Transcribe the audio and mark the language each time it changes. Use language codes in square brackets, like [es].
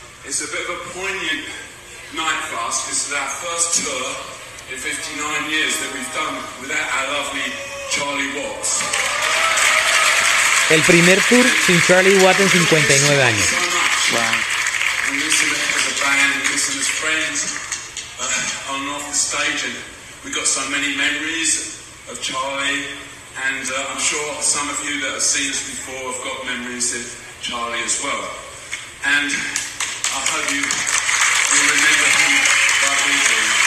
[en] It's a bit of a poignant night for us. This is our first tour in 59 years that we've done without our lovely Charlie Watts. [es] El primer tour sin Charlie Watt en 59 años. [en] We miss him as a band, we miss him as friends, on and off the stage, and we've got so many memories of Charlie, and I'm sure some of you that have seen us before have got memories of Charlie as well. And I hope you will remember him like we do.